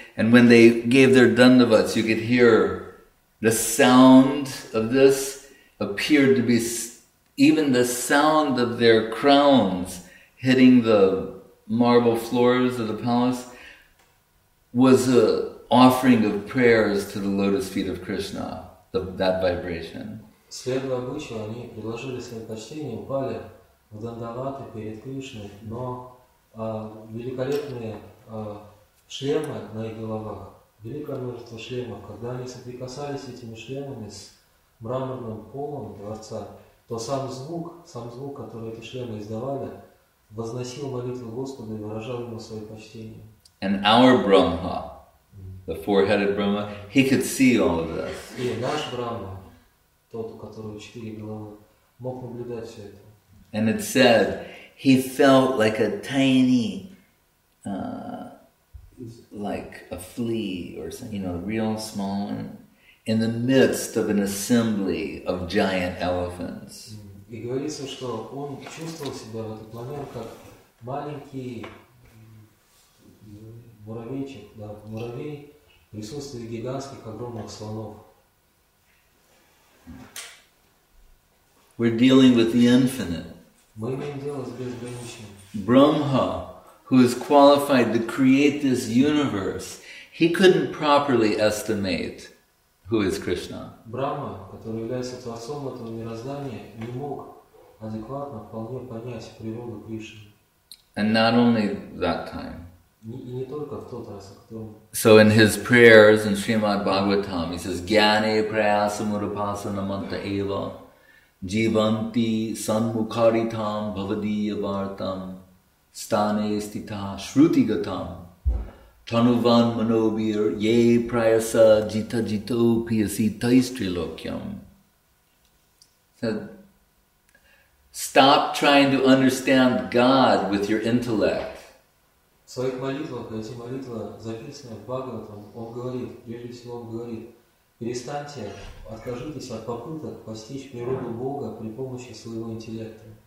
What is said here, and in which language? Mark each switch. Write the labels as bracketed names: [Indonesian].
[English] And when they gave their dandavats, you could hear the sound of this appeared to be even the sound of their crowns hitting the marble floors of the palace was an offering of prayers to the lotus feet of Krishna, that vibration. [Russian] Следуя обычаю, они предложили свои почтения, упали в дандаваты перед Кришной, но великолепные шлемы на их головах, великое множество шлемов, когда они соприкасались этими шлемами с мраморным полом дворца, то сам звук, который эти шлемы издавали, возносил молитву Господу и выражал ему свои почтения. [English] And our Brahma, the four-headed Brahma, he could see all of this. [Russian] И наш Брахма, тот, у которого четыре головы, мог наблюдать все это. [English] And it said, he felt like a tiny, like a flea or something, you know, real small, in the midst of an assembly of giant elephants. [Russian] И говорится, что он чувствовал себя в этот момент как маленький муравейчик, да, муравей в присутствии гигантских огромных слонов. [English] We're dealing with the infinite. [Russian] Мы имеем дело с безграничным. [English] Brahma, who is qualified to create this universe, he couldn't properly estimate who is Krishna. [Russian] Брахма, который является творцом этого мироздания, не мог адекватно вполне понять природу Кришны. [English] And not only that time. [Russian] Не только в тот раз, а кто. [English] So in his prayers in Srimad Bhagavatam, he says, [Sanskrit] Gyane prayasamurupasana manta eva jivanti sanmukharitam bhavadiya vartam stane stita shruti gatam tanuvan manobir ye prayasa jita jito piyasi taistrilokyam. [English] Said, stop trying to understand God with your intellect. [Russian] В своих молитвах, эти молитвы записаны в Бхагаватам, он говорит, прежде всего он говорит, перестаньте, откажитесь от попыток постичь природу Бога при помощи своего интеллекта.